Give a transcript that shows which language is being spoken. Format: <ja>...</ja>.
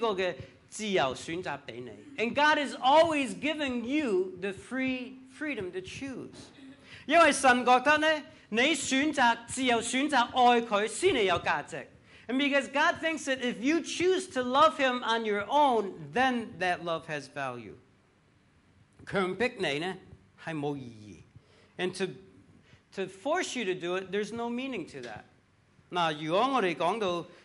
<zh>神呢,就是永遠將這個自由選擇給你.</zh> <en>And God is always giving you the freedom to choose.</en> <zh>因為神覺得呢,你選擇,自由選擇愛他,才有價值.</zh> <en>And because God thinks that if you choose to love him on your own, then that love has value.</en> <zh>強迫你呢,是沒有意義.</zh> <en>And to force you to do it, there's no meaning to that.</en> <zh>那如果我們講到</zh>